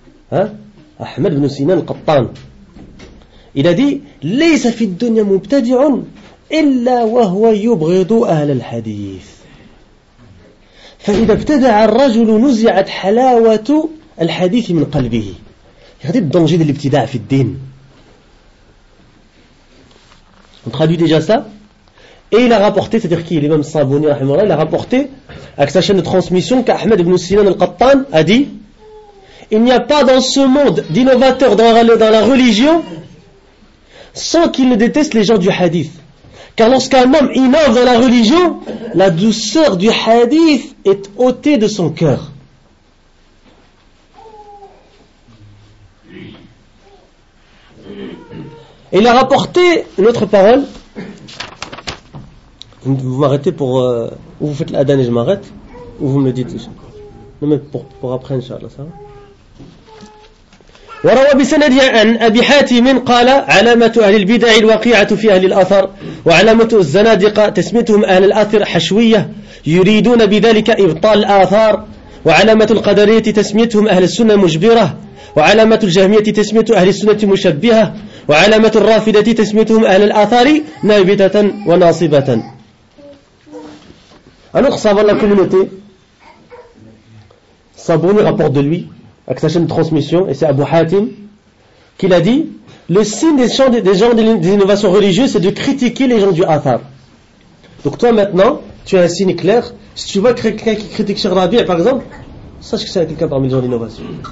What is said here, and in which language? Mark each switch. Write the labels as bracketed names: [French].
[French] Ahmed ibn Sinan al-Qattan, il a dit [Arabic] ليس في الدنيا مبتدع إلا وهو يبغض أهل الحديث فإذا ابتدع الرجل نزعت حلاوة الحديث من قلبه. [French] Regardez le danger de l'ibtida dans le din. On traduit déjà ça. Et il a rapporté, c'est-à-dire qui? L'imam Sabouni, il a rapporté avec sa chaîne de transmission qu'Ahmed ibn Sinan al-Qattan a dit: il n'y a pas dans ce monde d'innovateur dans la religion sans qu'il ne déteste les gens du hadith. Car lorsqu'un homme innove dans la religion, la douceur du hadith est ôtée de son cœur. Et il a rapporté une autre parole. Vous m'arrêtez pour... ou vous faites l'adhan et je m'arrête. Ou vous me dites tout ça. Non mais pour après, Inch'Allah, ça va. [Arabic] وروى بسند عن أبي حاتم قال علامة أهل البدع الواقعة في أهل الأثر وعلامة الزنادقة تسميتهم أهل الأثر حشوية يريدون بذلك إبطال الآثار وعلامة القدرية تسميتهم أهل السنة مجبرة وعلامة الجهمية تسميت أهل السنة مشبهة وعلامة الرافدة تسميتهم أهل الآثار نابتة وناصبة. [French] Alors, ça va la communauté. Sabouni rapporte de lui, avec sa chaîne de transmission, et c'est Abu Hatim, qui l'a dit, le signe des gens des innovations religieuses, c'est de critiquer les gens du Athar. Donc toi maintenant, tu as un signe clair, si tu vois quelqu'un qui critique Cheikh Rabi, par exemple, sache que c'est quelqu'un parmi les gens d'innovation.